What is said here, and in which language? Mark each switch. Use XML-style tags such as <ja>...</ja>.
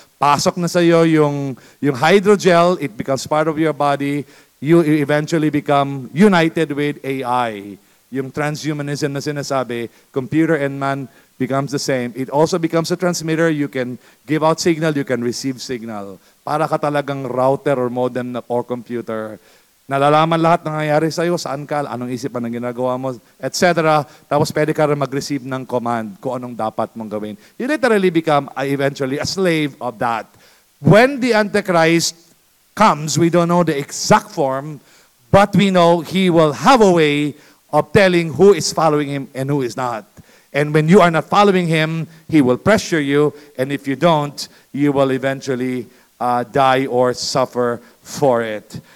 <tl>Pasok na sa'yo yung</tl> <en>hydrogel. It becomes part of your body. You eventually become united with AI.</en> <tl>Yung transhumanism na sinasabi,</tl> <en>computer and man becomes the same. It also becomes a transmitter. You can give out signal, you can receive signal.</en> <tl>Para ka talagang router or modem or computer. Nalalaman lahat ng nangyayari sa'yo, saan ka, anong isipan ang ginagawa mo, etc. Tapos pwede ka rin mag-receive ng command kung anong dapat mong gawin.</tl> <en>You literally become eventually a slave of that. When the Antichrist comes, we don't know the exact form, but we know he will have a way of telling who is following him and who is not. And when you are not following him, he will pressure you, and if you don't, you will eventually die or suffer for it.</en>